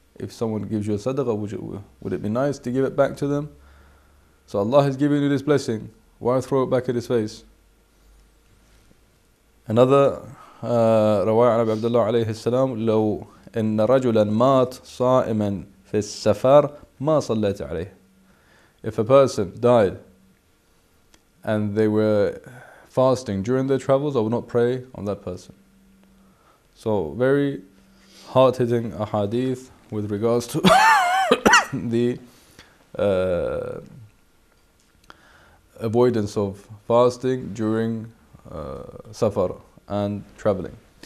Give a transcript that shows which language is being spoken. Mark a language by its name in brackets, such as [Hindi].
[English] If someone gives you a sadaqah, would it be nice to give it back to them? So Allah has given you this blessing. Why throw it back at his face? Another [Arabic] رواية عن أبي عبد الله عليه السلام لو إن رجلا مات صائما في السفر ما صليت عليه. [English] If a person died and they were fasting during their travels, I would not pray on that person. So very hard-hitting ahadith with regards to the avoidance of fasting during safar and traveling.